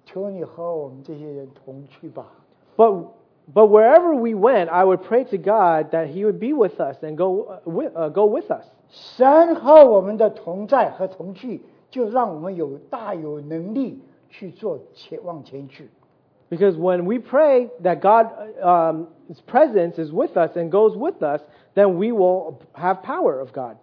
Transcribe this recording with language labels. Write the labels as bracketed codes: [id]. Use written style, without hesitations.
[zh] 各位弟兄姊妹,严工,严工。各位弟兄姊妹,我每到一个地方,我就是神啊,求你和我们这些人同去吧。 [en] But wherever we went, I would pray to God that He would be with us and go with us. [zh] 神和我们的同在和同去，就让我们有大有能力去做前往前去。Because [en] when we pray that God's presence is with us and goes with us, then we will have power of God.